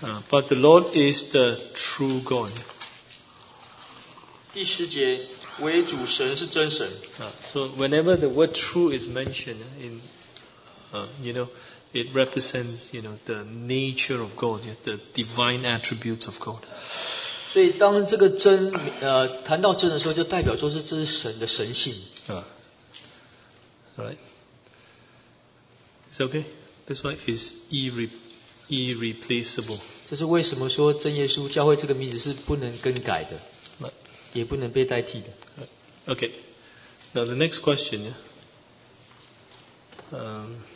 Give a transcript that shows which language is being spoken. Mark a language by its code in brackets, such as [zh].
[en] But the Lord is the true God. [zh] 第10节, 唯主神是真神. [en] So whenever the word true is mentioned in, you know, it represents, you know, the nature of God, the divine attributes of God. [zh] 所以当这个真, 谈到真的时候, 就代表说这是神的神性。 [en] Alright. It's okay. This one is irreplaceable. [zh] 这是为什么说真耶稣教会这个名字是不能更改的, 也不能被代替的。 [en] Okay. Now the next question, yeah?